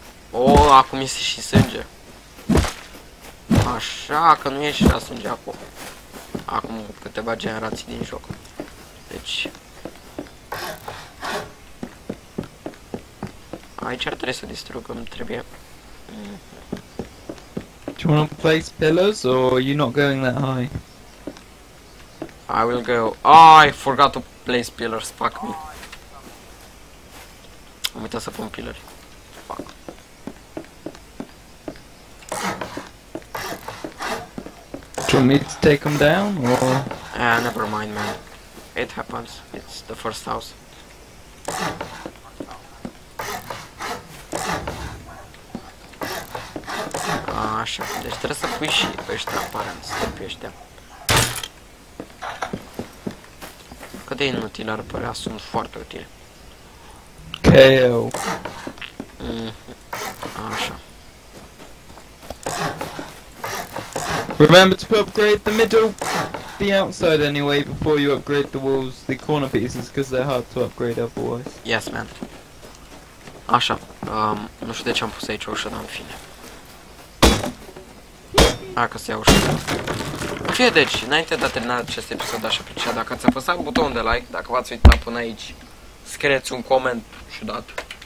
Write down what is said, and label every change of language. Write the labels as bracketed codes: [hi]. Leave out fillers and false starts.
[ro] O, acum este și sânge. Așa că nu ieși la sânge acum. Acum câteva generații din joc. Deci aici ar trebui să distrugăm, trebuie. [en] Do you want to place pillars or are you not going that high? I will go. Oh, I forgot to place pillars, fuck me. [ro] Am uitat să pun pillars. [en] You need to take them down, or? Never mind, man. It happens. It's the first house. [ro] Așa, deci trebuie să pui și ăștia, aparent, să pui ăștia. Cât de inutil ar părea, sunt foarte utile. K.O. Așa. [en] Remember to upgrade the middle, the outside anyway, before you upgrade the walls, the corner pieces, because they're hard to upgrade otherwise. Yes, man. [ro] Așa, nu știu de ce am pus aici ușa, dar în fine. A, că se ia ușa. Fie deci, înainte de a termina acest episod, aș aprecia dacă ați apăsat butonul de like, dacă v-ați uitat până aici, scrieți un coment ciudat.